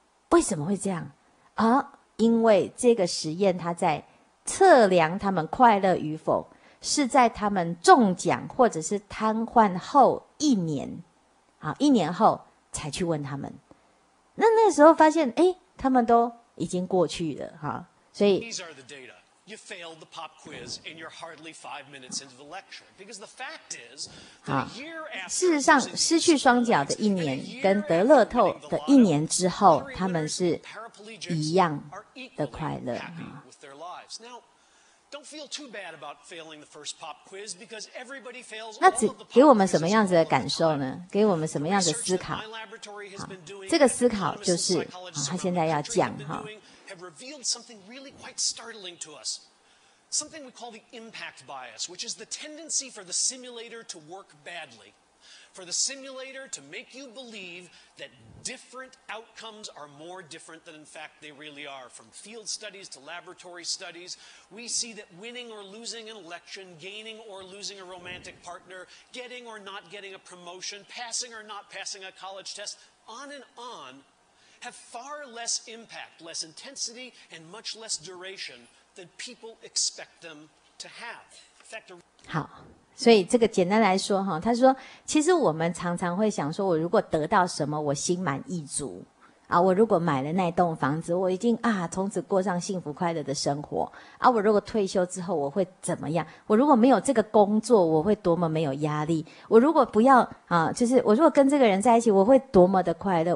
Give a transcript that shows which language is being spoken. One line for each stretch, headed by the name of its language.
Chinese: 为什么会这样啊？因为这个实验它在测量他们快乐与否，是在他们中奖或者是瘫痪后一年，啊，一年后才去问他们。那那时候发现，哎，他们都已经过去了，哈、啊，所以。
English: You failed the pop quiz, and you're hardly 5 minutes into the lecture. Because the fact is, the year after,
Chinese: 事实上，失去双脚的一年跟得乐透的一年之后，他们是一样的快乐啊。
English: Now, don't feel too bad about failing the first pop quiz, because everybody fails.
Chinese: 那给我们什么样子的感受呢？给我们什么样子的思考？这个思考就是啊，他现在要讲哈。
English: Have revealed something really quite startling to us. Something we call the impact bias, which is the tendency for the simulator to work badly, for the simulator to make you believe that different outcomes are more different than in fact they really are. From field studies to laboratory studies, we see that winning or losing an election, gaining or losing a romantic partner, getting or not getting a promotion, passing or not passing a college test, on and on. Have far less impact, less intensity, and much less duration than people expect them to have. In fact,
Chinese: 好，所以这个简单来说哈，他说，其实我们常常会想说，我如果得到什么，我心满意足啊；我如果买了那栋房子，我一定啊，从此过上幸福快乐的生活啊；我如果退休之后，我会怎么样？我如果没有这个工作，我会多么没有压力？我如果不要啊，就是我如果跟这个人在一起，我会多么的快乐？